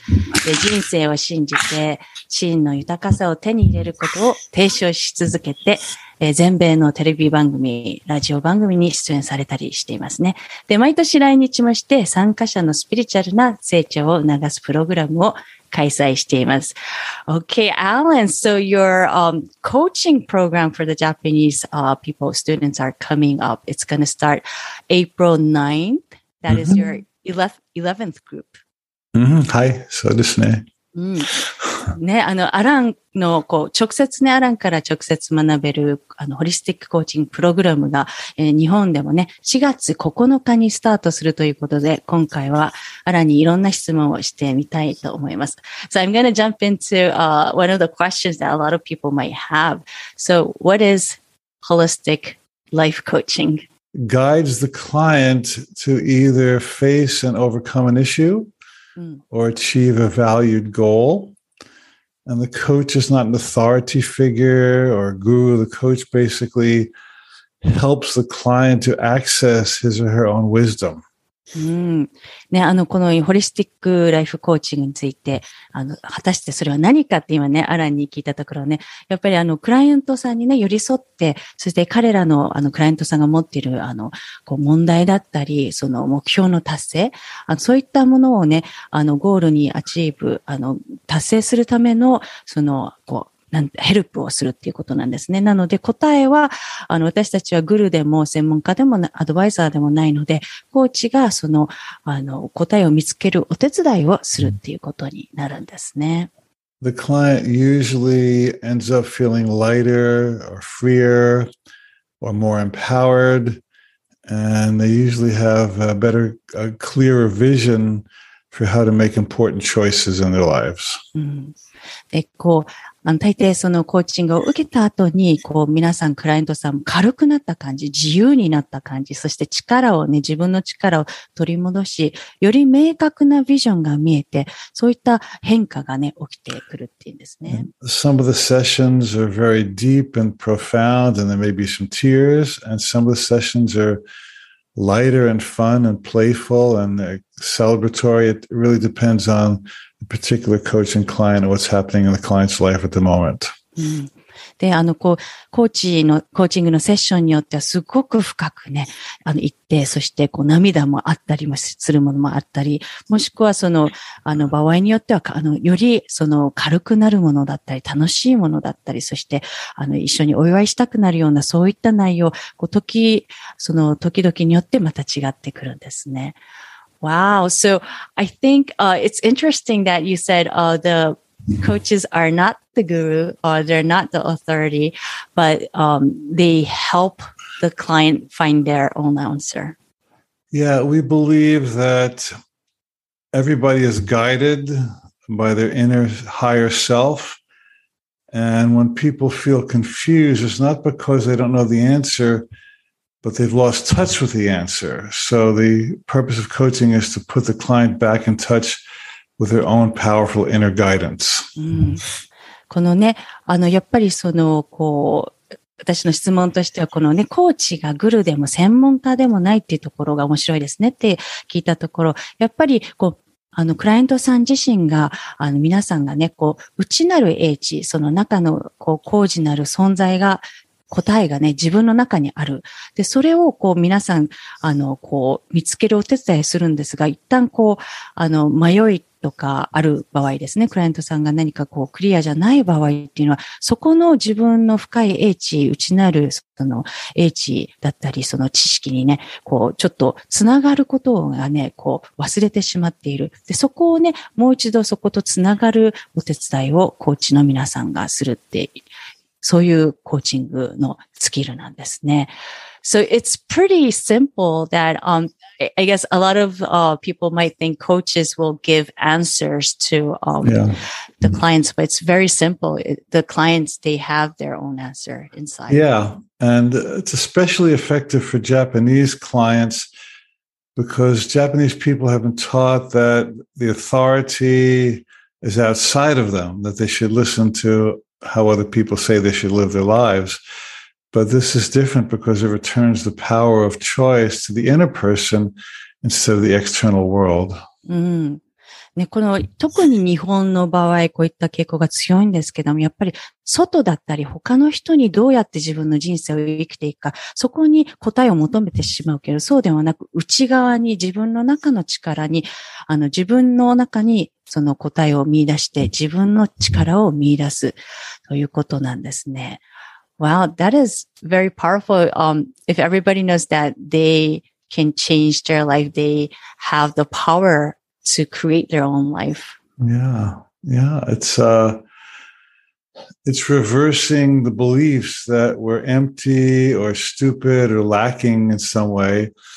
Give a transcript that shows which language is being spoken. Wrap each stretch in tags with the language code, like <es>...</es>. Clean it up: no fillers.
<ja>で、人生を信じて、真の豊かさを手に入れることを提唱し続けて、全米のテレビ番組、ラジオ番組に出演されたりしていますね。で、毎年来日もして、参加者のスピリチュアルな成長を促すプログラムを開催しています。</ja> <en>Okay, Alan, so your、coaching program for the Japanese、people, students are coming up. It's going to start April 9th. That is your 11th group.、</en> <ja>Mm-hmm. はい、そうですね。うん、ね、あの、アランの、こう、直接ね、アランから直接学べる、あの、ホリスティックコーチングプログラムが、日本でもね、4月9日にスタートするということで、今回は、アランにいろんな質問をしてみたいと思います。</ja> <en>So I'm gonna jump into, one of the questions that a lot of people might have. So what is holistic life coaching? Guides the client to either face and overcome an issue,or achieve a valued goal. And the coach is not an authority figure or guru. The coach basically helps the client to access his or her own wisdom.</en> <ja>うん、ね、あの、このホリスティックライフコーチングについて、あの、果たしてそれは何かって今ね、アランに聞いたところね、やっぱりあの、クライアントさんにね、寄り添って、そして彼らのあの、クライアントさんが持っている、あの、こう、問題だったり、その目標の達成、あの、そういったものをね、あの、ゴールにアチーブ、あの、達成するための、その、こう、なんてヘルプをするっていうことなんですね。なので答えは、あの、私たちはグルでも専門家でもアドバイザーでもないので、コーチがその、あの、答えを見つけるお手伝いをするっていうことになるんですね。</ja> <en>The client usually ends up feeling lighter or freer or more empowered, and they usually have a better, a clearer vision for how to make important choices in their lives.、うん、</en> <ja>こう、大抵そのコーチングを受けた後に、こう皆さん、クライアントさん軽くなった感じ、自由になった感じ、そして力をね、自分の力を取り戻し、より明確なビジョンが見えて、そういった変化がね、起きてくるっていうんですね。</ja> <en>Some of the sessions are very deep and profound, and there may be some tears, and some of the sessions are lighter and fun and playful and celebratory. It really depends onparticular coach and client, what's happening in the client's life at the moment.、</en> <ja>うん、で、こう、コーチングのセッションによっては、すごく深くね、行って、そして、こう、涙もあったりもするものもあったり、もしくは、場合によっては、より、軽くなるものだったり、楽しいものだったり、そして、一緒にお祝いしたくなるような、そういった内容、こう、時々によってまた違ってくるんですね。</ja> <en>Wow. So I think, it's interesting that you said, the coaches are not the guru or they're not the authority, but, they help the client find their own answer. Yeah. We believe that everybody is guided by their inner higher self. And when people feel confused, it's not because they don't know the answer. But they've lost touch with the answer. So the purpose of coaching is to put the client back in touch with their own powerful inner guidance.、</en> <ja>うん、このね、やっぱりその、こう、私の質問としては、このね、コーチがグルでも専門家でもないっていうところが面白いですねって聞いたところ、やっぱり、こう、クライアントさん自身が、皆さんがね、こう、内なる英知、その中の、こう、高次なる存在が、答えがね、自分の中にある。で、それをこう皆さん、こう見つけるお手伝いするんですが、一旦こう、迷いとかある場合ですね、クライアントさんが何かこうクリアじゃない場合っていうのは、そこの自分の深い英知、内なるその英知だったり、その知識にね、こうちょっとつながることがね、こう忘れてしまっている。で、そこをね、もう一度そことつながるお手伝いをコーチの皆さんがするって、そういうコーチングのスキルなんですね。</ja> <en>So it's pretty simple that, I guess a lot of, people might think coaches will give answers to, the clients, but it's very simple. The clients, they have their own answer inside. Yeah. And it's especially effective for Japanese clients because Japanese people have been taught that the authority is outside of them, that they should listen toto how other people say they should live their lives. But this is different because it returns the power of choice to the inner person instead of the external world.、</en> <ja>うんね、この特に日本の場合、こういった傾向が強いんですけども、やっぱり外だったり他の人にどうやって自分の人生を生きていくか、そこに答えを求めてしまうけど、そうではなく内側に自分の中の力に、自分の中にその答えを見出して自分の力を見出すということなんですね。</ja> <en>Wow, that is very powerful. If everybody knows that they can change their life, they have the power to create their own life. Yeah, yeah. It's reversing the beliefs that we're empty or stupid or lacking in some way.</en>